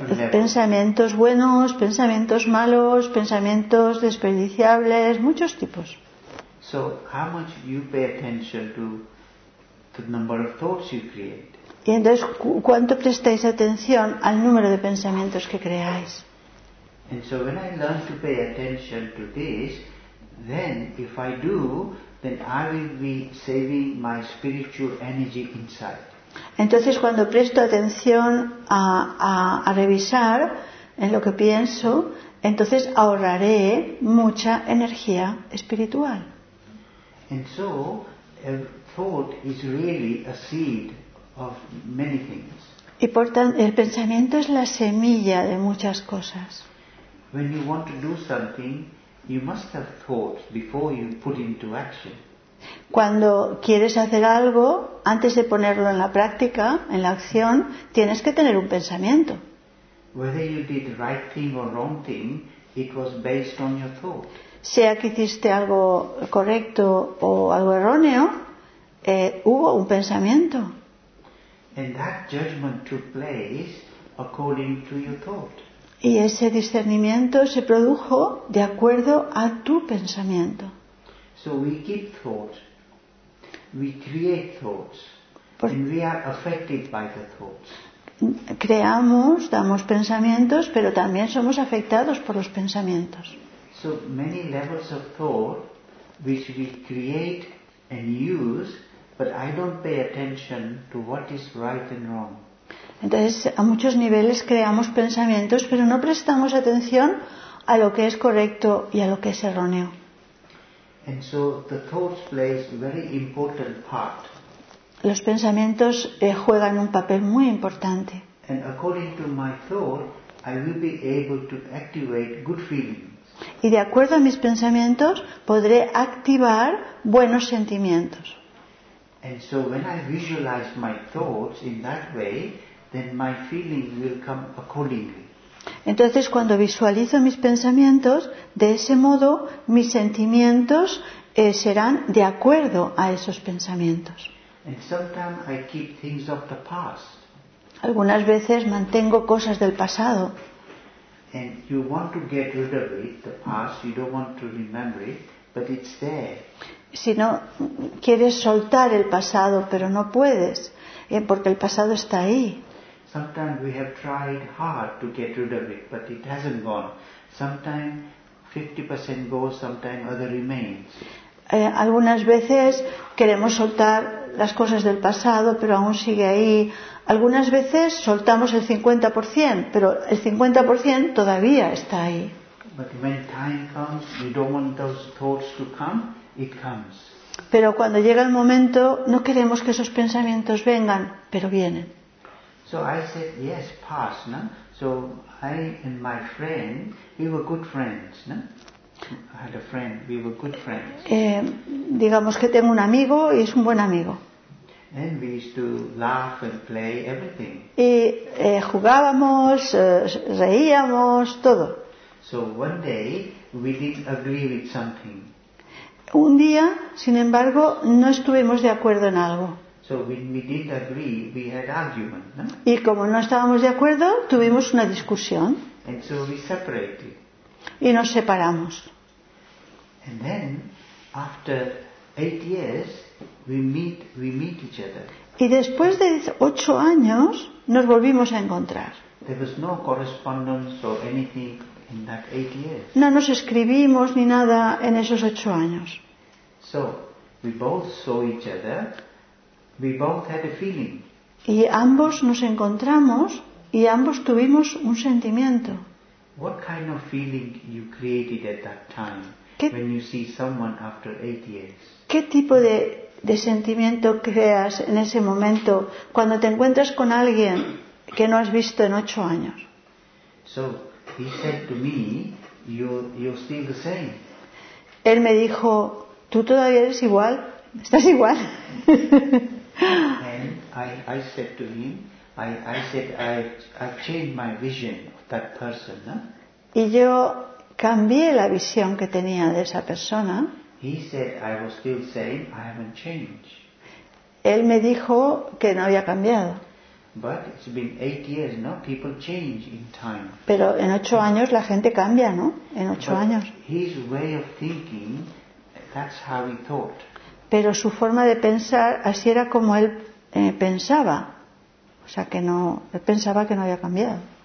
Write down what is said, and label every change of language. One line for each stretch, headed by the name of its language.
Spanish: Pensamientos buenos, pensamientos malos, pensamientos desperdiciables, muchos tipos.
English: So how much you pay attention to the number of thoughts you create?
Spanish: Y entonces, ¿cuánto prestáis atención al número de pensamientos que creáis?
English: And so when I learn to pay attention to this, then if I do, then I will be saving my spiritual energy inside.
Spanish: Entonces, cuando presto atención a revisar en lo que pienso, entonces ahorraré mucha energía espiritual.
English: And so a thought is really a seed of many things.
Spanish: Y por tanto, el pensamiento es la semilla de muchas cosas.
English: When you want to do something, you must have thought before you put into action.
Spanish: Cuando quieres hacer algo, antes de ponerlo en la práctica, en la acción, tienes que tener un pensamiento.
English: Whether you did the right thing or wrong thing, it was based on your thought.
Spanish: Sea que hiciste algo correcto o algo erróneo, hubo un pensamiento.
English: And that judgment took place according to your thought.
Spanish: Y ese discernimiento se produjo de acuerdo a tu pensamiento.
English: So we keep thoughts, we create thoughts, and we are affected by the thoughts.
Spanish: Creamos, damos pensamientos, pero también somos afectados por los pensamientos.
English: So many levels of thought which we create and use, but I don't pay attention to what is right and wrong.
Spanish: Entonces, a muchos niveles creamos pensamientos, pero no prestamos atención a lo que es correcto y a lo que es erróneo.
English: And so the thoughts play a very important part.
Spanish: Los pensamientos juegan un papel muy importante.
English: And according to my thought, I will be able to activate good feelings.
Spanish: Y de acuerdo a mis pensamientos, podré activar buenos sentimientos.
English: And so when I visualize my thoughts in that way, then my feeling will come accordingly.
Spanish: Entonces, cuando visualizo mis pensamientos, de ese modo mis sentimientos serán de acuerdo a esos pensamientos.
English: And sometimes I keep things of the past.
Spanish: Algunas veces mantengo cosas del pasado.
English: And you want to get rid of it, the past, you don't want to remember it, but it's there.
Spanish: Si no, quieres soltar el pasado, pero no puedes, porque el pasado está ahí.
English: Sometimes we have tried hard to get rid of it, but it hasn't gone. Sometimes 50% goes, sometimes other remains.
Spanish: Algunas veces queremos soltar las cosas del pasado, pero aún sigue ahí. Algunas veces soltamos el 50%, pero el 50% todavía está ahí.
English: But when time comes, you don't want those thoughts to come. It comes.
Spanish: Pero cuando llega el momento, no queremos que esos pensamientos vengan, pero vienen.
English: So I said, yes, past, no? So I and my friend, we were good friends, no? I had a friend, we were good friends.
Spanish: Digamos que tengo un amigo y es un buen amigo.
English: And we used to laugh and play everything.
Spanish: Y jugábamos, reíamos, todo.
English: So one day we didn't agree with something.
Spanish: Un día, sin embargo, no estuvimos de acuerdo en algo.
English: So we didn't agree, we had argument, no?
Spanish: Y como no estábamos de acuerdo, tuvimos una discusión.
English: And so we separated.
Spanish: Y nos separamos.
English: And then, after 8 years, we meet each other.
Spanish: Y después de 8 años, nos volvimos a encontrar.
English: There was no correspondence or anything. In that 8 years.
Spanish: No nos escribimos ni nada en esos 8 años.
English: So we both saw each other. We both had a feeling.
Spanish: Y ambos nos encontramos y ambos tuvimos un sentimiento.
English: What kind of feeling you created at that time when you see someone after 8 years?
Spanish: ¿Qué tipo de sentimiento creas en ese momento cuando te encuentras con alguien que no has visto en 8 años?
English: So he said to me, you're still the same.
Spanish: Él me dijo, tú todavía eres igual, estás igual.
English: And I said to him, I've changed my vision of that person. No?
Spanish: Y yo cambié la visión que tenía de esa persona.
English: He said, I was still the same, I haven't changed.
Spanish: Él me dijo que no había cambiado.
English: But it's been 8 years, no? People change in time.
Spanish: Pero en 8 años la gente cambia, ¿no? En 8 años.
English: His way of thinking, that's how he thought.
Spanish: Pero su forma de pensar, así era como él pensaba. O sea, que no, él pensaba que no había cambiado.